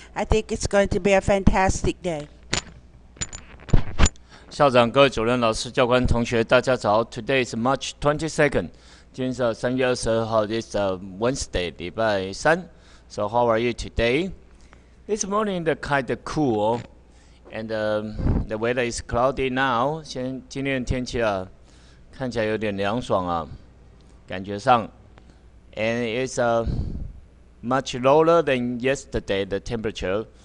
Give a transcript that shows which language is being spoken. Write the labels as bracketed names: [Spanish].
[English] I think it's going to be a fantastic day. [Chinese] 校长、各位主任、老师、教官、同学，大家早。 [English] Today is March 22nd. [Chinese] 今天是3月22号。 [English] It's a Wednesday, [Chinese] 礼拜三。 [English] So how are you today? This morning, the kind of cool. And the weather is cloudy now. [Chinese] 今天的天气啊，看起来有点凉爽啊，感觉上。 [English] And it's much lower than yesterday, the temperature.